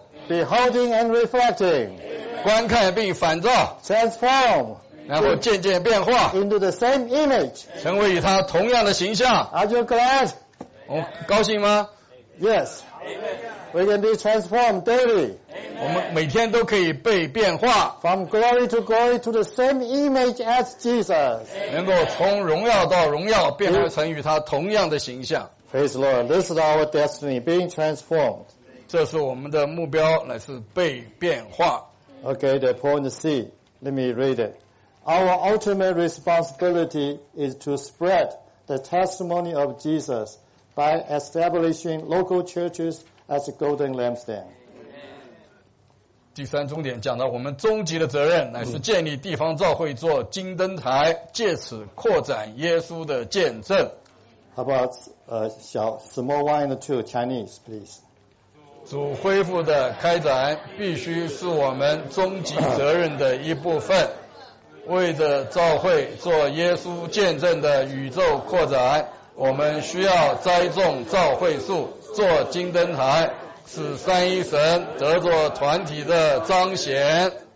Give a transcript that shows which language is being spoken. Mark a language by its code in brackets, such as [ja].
[en] Beholding and reflecting. [zh] 观看并反照。 [en] Transform. [zh] 然后渐渐变化 [en] into the same image， [zh] 成为与他同样的形象。 [en] Are you glad？ [zh] 我高兴吗？ [en] Yes。 We can be transformed daily。 [zh] 我们每天都可以被变化 [en] from glory to glory to the same image as Jesus， [zh] 能够从荣耀到荣耀变化成与他同样的形象。 [en] Praise the Lord， this is our destiny being transformed， [zh] 这是我们的目标，乃是被变化。 [en] OK， the point C， let me read it。 Our ultimate responsibility is to spread the testimony of Jesus by establishing local churches as a golden lampstand. [zh] 第三重点讲到我们终极的责任乃是建立地方教会做金灯台，借此扩展耶稣的见证。 [en] How about small one and two Chinese, please? [zh] 主恢复的开展必须是我们终极责任的一部分。为着教会做耶稣见证的宇宙扩展，我们需要栽种教会树，做金灯台，使三一神得着团体的彰显。